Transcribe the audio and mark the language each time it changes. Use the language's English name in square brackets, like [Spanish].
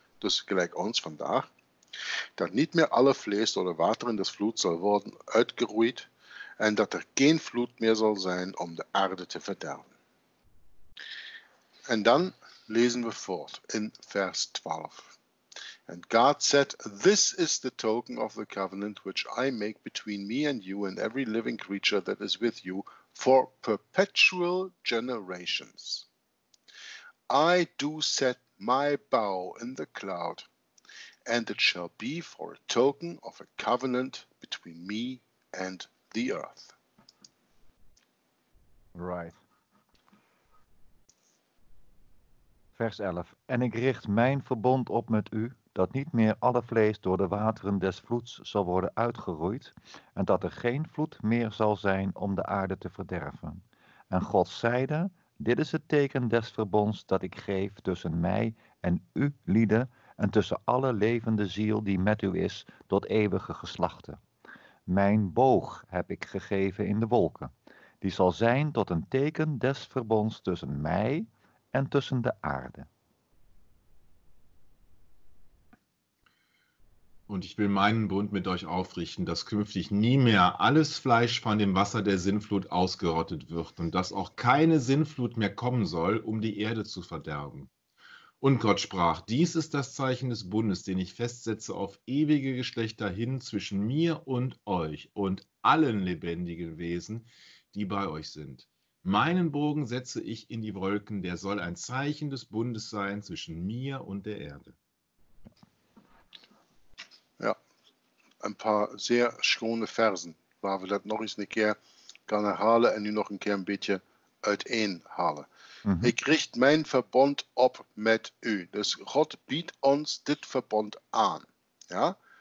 [Dutch] Dus gelijk ons vandaag. Dat niet meer alle vlees door de water in de vloed zal worden uitgeroeid. En dat er geen vloed meer zal zijn om de aarde te verderven. En dan lezen we voort in vers 12. [English] And God said, this is the token of the covenant which I make between me and you and every living creature that is with you for perpetual generations. I do set my bow in the cloud, and it shall be for a token of a covenant between me and the earth. Right. [Dutch] Vers 11. En ik richt mijn verbond op met u, dat niet meer alle vlees door de wateren des vloeds zal worden uitgeroeid, en dat er geen vloed meer zal zijn om de aarde te verderven. En God zeide, dit is het teken des verbonds dat ik geef tussen mij en u lieden, en tussen alle levende ziel die met u is, tot eeuwige geslachten. Mijn boog heb ik gegeven in de wolken. die zal zijn tot een teken des verbonds tussen mij en tussen de aarde. [German] Und ich will meinen Bund mit euch aufrichten, dass künftig nie mehr alles Fleisch von dem Wasser der Sinnflut ausgerottet wird und dass auch keine Sinnflut mehr kommen soll, um die Erde zu verderben. Und Gott sprach, dies ist das Zeichen des Bundes, den ich festsetze auf ewige Geschlechter hin zwischen mir und euch und allen lebendigen Wesen, die bei euch sind. Meinen Bogen setze ich in die Wolken, der soll ein Zeichen des Bundes sein zwischen mir und der Erde. Ein paar sehr schöne [Dutch] Versen, waar we dat nog eens een keer gaan herhalen en nu nog een keer een beetje uiteenhalen. Mm-hmm. Ik richt mijn verbond op met u. Dus God biedt ons dit verbond aan. Ja?